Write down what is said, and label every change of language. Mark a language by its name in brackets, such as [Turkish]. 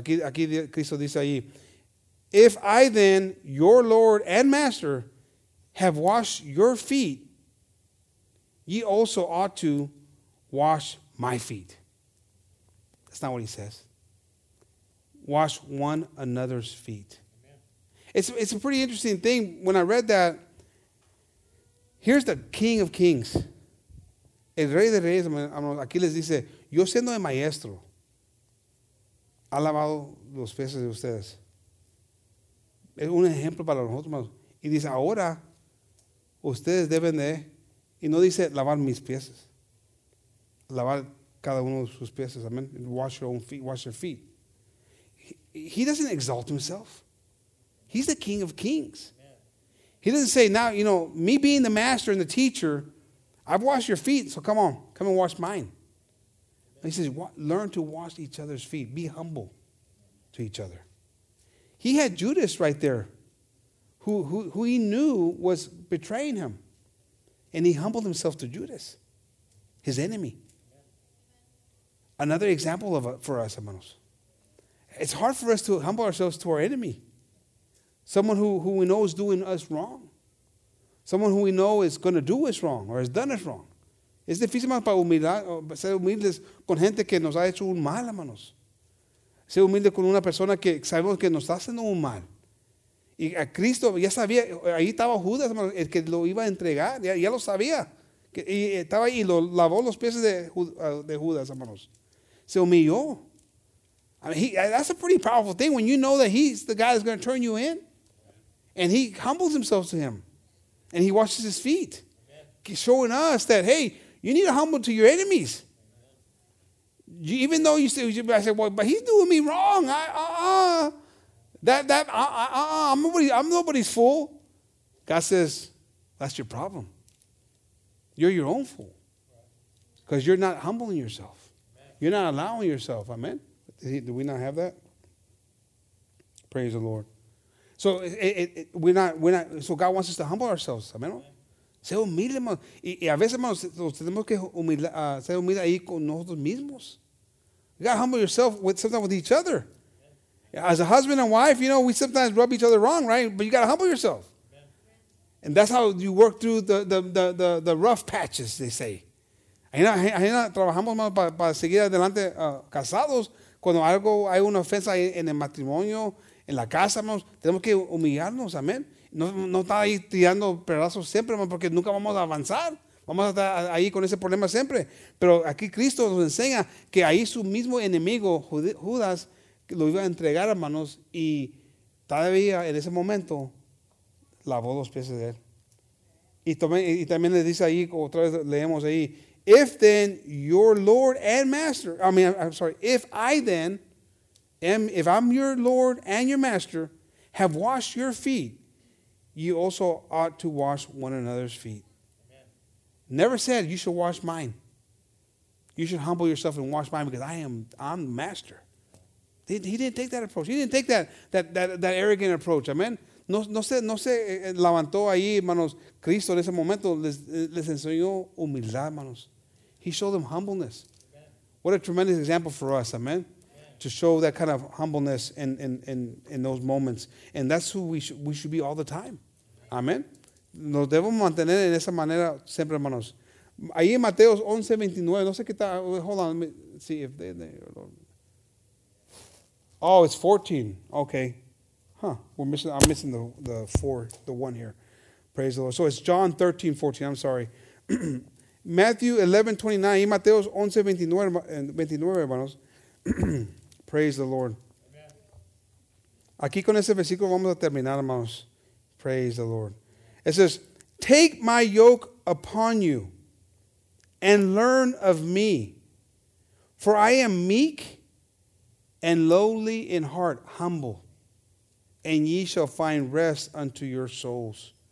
[Spanish] Aquí Cristo dice ahí, [English] if I then, your Lord and Master, have washed your feet, ye also ought to wash my feet. That's not what he says. Wash one another's feet. Amen. It's a pretty interesting thing. When I read that, here's the King of Kings. [Spanish] El Rey de Reyes, aquí les dice, yo siendo el maestro, ha lavado los pies de ustedes. Es un ejemplo para nosotros, hermanos. Y dice, ahora ustedes deben de, y no dice lavar mis pies, lavar cada uno de sus pies, amen. [English] Wash your own feet, wash your feet. He doesn't exalt himself. He's the King of Kings. He doesn't say, now, you know, me being the master and the teacher, I've washed your feet, so come on, come and wash mine. And he says, learn to wash each other's feet. Be humble to each other. He had Judas right there, who he knew was betraying him. And he humbled himself to Judas, his enemy. Another example for us, hermanos. It's hard for us to humble ourselves to our enemy. Someone who we know is doing us wrong. Someone who we know is going to do us wrong or has done us wrong. [Spanish] Es difícil más para ser humildes con gente que nos ha hecho un mal, hermanos. Ser humilde con una persona que sabemos que nos está haciendo un mal. Y a Cristo, ya sabía, ahí estaba Judas, el que lo iba a entregar, ya lo sabía. Y estaba ahí y lo lavó los pies de Judas, hermanos. Se humilló. [English] I mean, that's a pretty powerful thing when you know that he's the guy that's going to turn you in. And he humbles himself to him. And he washes his feet. He's showing us that, hey, you need to humble to your enemies. Even though I said, well, but he's doing me wrong. I'm nobody's fool. God says, that's your problem. You're your own fool. Because you're not humbling yourself. You're not allowing yourself. Amen. Do we not have that? Praise the Lord. So we're not. So God wants us to humble ourselves. Amen. [Spanish] Ser humilde, hermano. Y a veces, hermano, tenemos que ser humilde ahí con nosotros mismos. [English] You got to humble yourself sometimes with each other. As a husband and wife, you know, we sometimes rub each other wrong, right? But you got to humble yourself. And that's how you work through the rough patches, they say. [Spanish] Ahí no trabajamos, hermano, para seguir adelante casados. Cuando algo hay una ofensa en el matrimonio, en la casa, hermano, tenemos que humillarnos, amén. No está ahí tirando pedazos siempre, hermano, porque nunca vamos a avanzar. Vamos a estar ahí con ese problema siempre. Pero aquí Cristo nos enseña que ahí su mismo enemigo, Judas, lo iba a entregar, hermanos, y todavía en ese momento lavó los pies de él. Y también le dice ahí, otra vez leemos ahí, [English] if then your Lord and Master, if I'm your Lord and your Master, have washed your feet, you also ought to wash one another's feet. Amen. Never said you should wash mine. You should humble yourself and wash mine because I'm Master. He didn't take that approach. He didn't take that arrogant approach. [Spanish] Amen. No se levantó ahí, hermanos. Cristo en ese momento les enseñó humildad, hermanos. [English] He showed them humbleness. Amen. What a tremendous example for us. Amen. To show that kind of humbleness in those moments. And that's who we should be all the time. [Spanish] Amén. Nos debemos mantener en esa manera siempre, hermanos. Ahí en Mateo 11:29, no sé qué está. [English] Hold on, let me see if they. Oh, it's 14. Okay. Huh. I'm missing the four, the one here. Praise the Lord. So it's John 13:14. I'm sorry. Matthew 11:29. [Spanish] Y Mateo 11:29, hermanos. [English] Praise the Lord. Amen. [Spanish] Aquí con ese versículo vamos a terminar, hermanos. [English] Praise the Lord. It says, take my yoke upon you and learn of me, for I am meek and lowly in heart, humble, and ye shall find rest unto your souls.